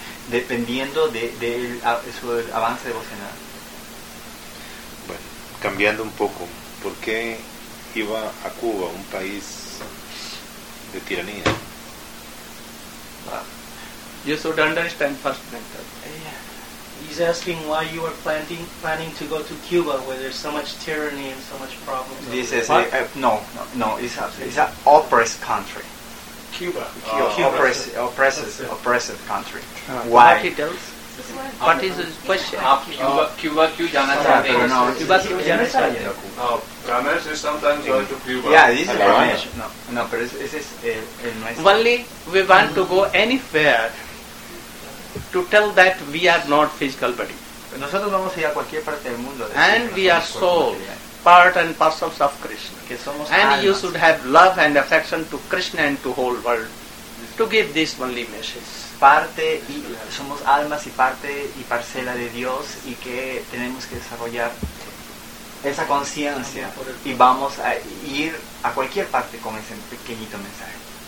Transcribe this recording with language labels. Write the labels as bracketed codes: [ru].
[es] Dependiendo de su avance devocional. Bueno, cambiando un poco, ¿por qué iba a Cuba, un país de tiranía? [en] You should understand first mental. He's asking why you are planning to go to Cuba where there's so much tyranny and so much problems. This is no. It's an oppressed country. Cuba. Oppressive country. Why? He tells. What is his question? [hi] Cuba. Cuba. Jana chahte hain. Cuba. Cuba. Jana chahte hain. [en] Ramesh is sometimes going to Cuba. Yeah, this is Ramesh. No, but this is in my. Only we want to go anywhere. To tell that we are not physical body. [es] Nosotros vamos a ir a cualquier parte del mundo. [en] And we are soul, part and parcels of Krishna. [es] Que somos [en] and [es] almas. [en] You should have love and affection to Krishna and to whole world. To give this only message. [es] Parte y somos almas y parte y parcela de Dios y que tenemos que desarrollar esa conciencia y vamos a ir a cualquier parte con ese pequeñito mensaje.